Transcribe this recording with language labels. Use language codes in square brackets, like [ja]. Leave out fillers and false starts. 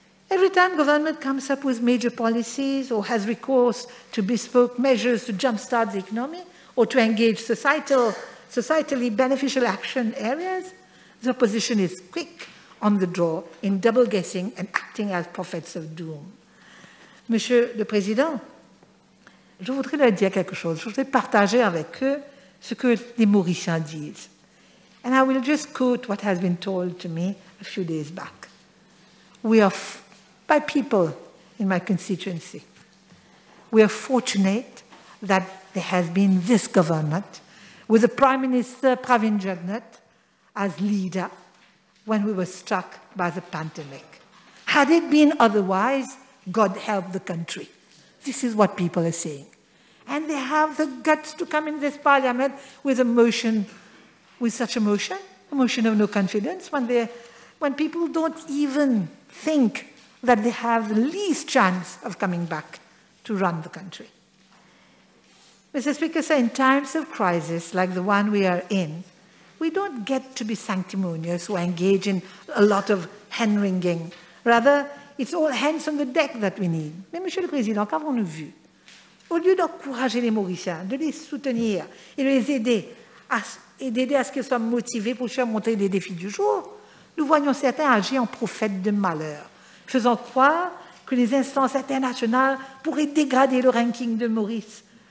[en] Every time government comes up with major policies or has recourse to bespoke measures to jumpstart the economy or to engage societally beneficial action areas, the opposition is quick on the draw in double-guessing and acting as prophets of doom. [fr] Monsieur le Président, je voudrais leur dire quelque chose. Je voudrais partager avec eux ce que les Mauriciens disent. [en] And I will just quote what has been told to me a few days back. We are by people in my constituency. We are fortunate that there has been this government with the Prime Minister Pravin Jugnauth as leader when we were struck by the pandemic. Had it been otherwise, God help the country. This is what people are saying. And they have the guts to come in this parliament with a motion, with such a motion of no confidence, when people don't even think that they have the least chance of coming back to run the country. Mr. Speaker, sir, in times of crisis like the one we are in, we don't get to be sanctimonious or engage in a lot of hand-wringing. Rather, it's all hands on the deck that we need. [fr] Mais, Monsieur le Président, qu'avons-nous vu? Au lieu d'encourager les Mauriciens, de les soutenir et de les aider à et d'aider à ce qu'ils soient motivés pour surmonter les défis du jour, nous voyons certains agir en prophètes de malheur, faisant croire que les instances internationales pourraient dégrader le ranking de Maurice.